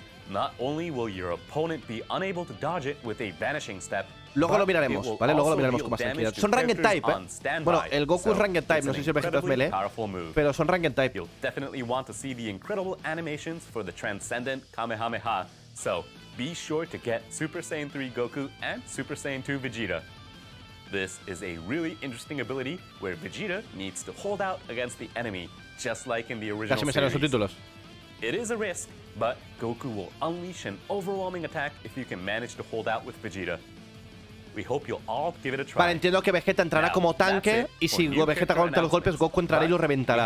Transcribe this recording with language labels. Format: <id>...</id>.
<en>Not only will your opponent be unable to dodge it with a vanishing step.</en> <es>Luego lo miraremos, ¿vale? Luego lo miraremos con más tranquilidad. Son ranged type, ¿eh? Bueno, el Goku es ranged type, no sé si el Vegeta es melee, pero son ranged type.</es> <en>You'll definitely want to see the incredible animations for the transcendent Kamehameha. So, be sure to get Super Saiyan 3 Goku and Super Saiyan 2 Vegeta. This is a really interesting ability where Vegeta needs to hold out against the enemy, just like in the original series.</en> <es>Casi me salen los subtítulos.</es> <en>It is a risk, but Goku will unleash an overwhelming attack if you can manage to hold out with Vegeta. We hope you'll all give it a try.</en> <es>Vale, entiendo que Vegeta entrará now, como tanque y si Vegeta contra los golpes, Goku entrará y lo reventará.</es>